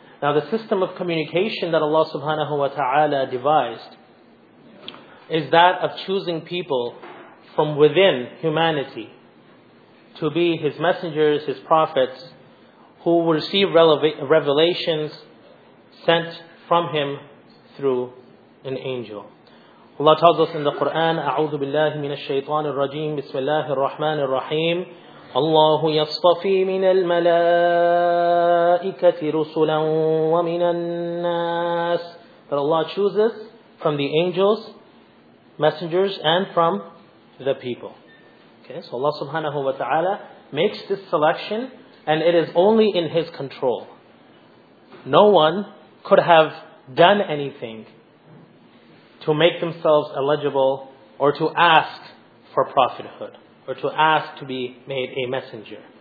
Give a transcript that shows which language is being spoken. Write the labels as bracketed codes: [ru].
[en] Now, the system of communication that Allah subhanahu wa ta'ala devised is that of choosing people from within humanity to be His messengers, His prophets, who receive revelations sent from Him through an angel. [ar] Allah tells us in the Quran, أَعُوذُ بِاللَّهِ مِنَ الشَّيْطَانِ الرَّجِيمِ بِسْمِ اللَّهِ الرَّحْمَنِ الرَّحِيمِ اللَّهُ يَصْطَفِي مِنَ الْمَلَائِكَةِ رُسُلًا وَمِنَ النَّاسِ. [en] That Allah chooses from the angels, messengers, and from the people. Okay, so Allah subhanahu wa ta'ala makes this selection, and it is only in His control. No one could have done anything to make themselves eligible or to ask for prophethood or to ask to be made a messenger.